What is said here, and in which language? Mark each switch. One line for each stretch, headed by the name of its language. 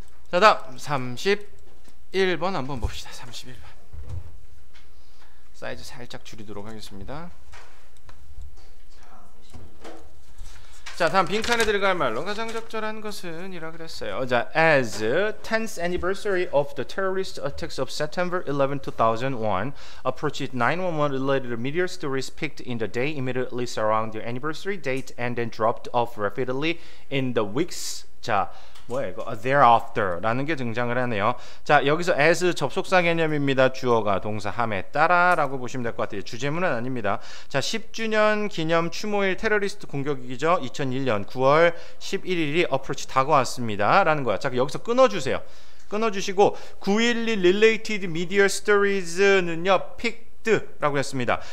Korean: 자, 다음 31번 한번 봅시다. 31번 사이즈 살짝 줄이도록 하겠습니다. 자, 다음 빈칸에 들어갈 말로 가장 적절한 것은 이라 그랬어요.
English: 자, as 10th anniversary of the terrorist attacks of September 11, 2001 approached 911 related media stories peaked in the day immediately surround the anniversary date and then dropped off rapidly in the weeks
Korean: 자, 뭐야 이거
English: thereafter 라는 게 등장을 하네요.
Korean: 자, 여기서 as 접속사 개념입니다. 주어가 동사 함에 따라 라고 보시면 될 것 같아요. 주제문은 아닙니다. 자, 10주년 기념 추모일 테러리스트 공격이죠. 2001년 9월 11일이 approach 다가왔습니다 라는 거야. 자, 여기서 끊어주세요. 끊어주시고 9.11
English: related media stories
Korean: 는요 pick 라고 했습니다.